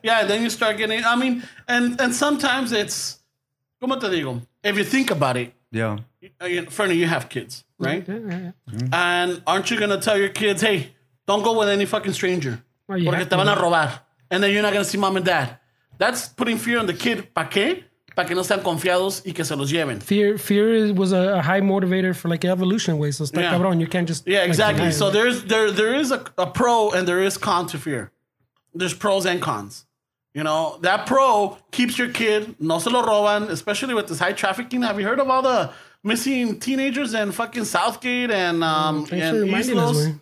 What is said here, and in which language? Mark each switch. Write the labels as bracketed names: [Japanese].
[English] Yeah, then you start getting, I mean, and sometimes it's, [Spanish] ¿cómo te digo? [English] If you think about it. Yeah. Fernie, you have kids, right? Yeah. And aren't you going to tell your kids, hey, don't go with any fucking stranger. Oh, [Spanish] porque te van a robar. [English] And then you're not going to see mom and dad. That's putting fear on the kid. [Spanish] ¿Para qué? Para que no sean confiados y que se los lleven. [English] Fear was a high motivator for like evolution way. So está yeah. cabrón, you can't just... Yeah, exactly. Like, so there is a pro and there is con to fear. There's pros and cons. You know, that pro keeps your kid, [Spanish] no se lo roban, [English] especially with this high trafficking. Have you heard of all the missing teenagers in fucking Southgate and East Los?